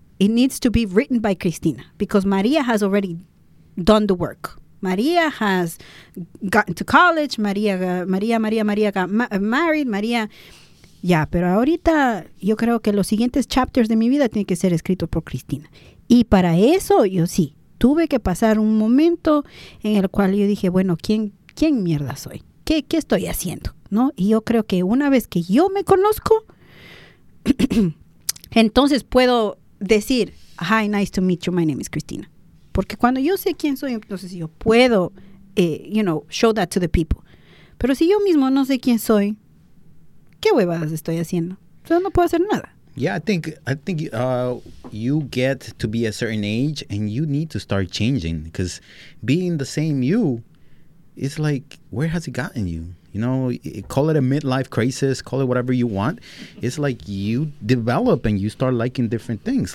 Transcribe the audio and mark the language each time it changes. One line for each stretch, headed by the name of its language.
English: It needs to be written by Cristina, because María has already done the work. María has gotten to college, María got married,
Spanish: María, ya, pero ahorita yo creo que los siguientes chapters de mi vida tienen que ser escritos por Cristina. Y para eso yo sí, tuve que pasar un momento en el cual yo dije, bueno, ¿quién mierda soy? ¿Qué estoy haciendo? ¿No? Y yo creo que una vez que yo me conozco, entonces puedo decir,
English: hi, nice to meet you, my name is Cristina.
Spanish: Porque cuando yo sé quién soy, entonces yo puedo,
English: show that to the people.
Spanish: Pero si yo mismo no sé quién soy, ¿qué huevadas estoy haciendo? Entonces no puedo hacer nada.
English: Yeah, I think you get to be a certain age and you need to start changing. Because being the same you, it's like, where has it gotten you? You know, call it a midlife crisis, call it whatever you want. It's like you develop and you start liking different things.